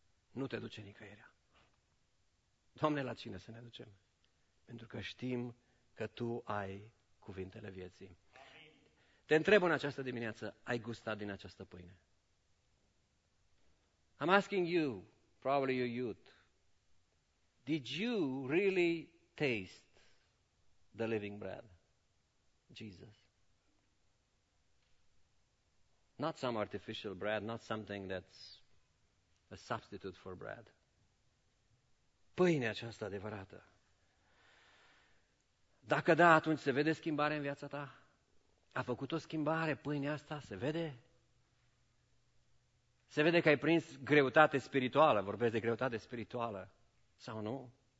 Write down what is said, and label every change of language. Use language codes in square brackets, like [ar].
[ro] Nu te duce nicăieri. Doamne, la cine să ne ducem? Pentru că știm că Tu ai cuvintele vieții. Te întreb în această dimineață, ai gustat din această pâine? [en] I'm asking you, probably your youth, did you really taste the living bread, Jesus? Not some artificial bread, not something that's a substitute for bread. [ro] Pâinea aceasta adevărată. Dacă da, atunci se vede schimbare în viața ta? A făcut o schimbare pâinea asta? Se vede? Se vede că ai prins greutate spirituală, vorbesc de greutate spirituală, sau nu?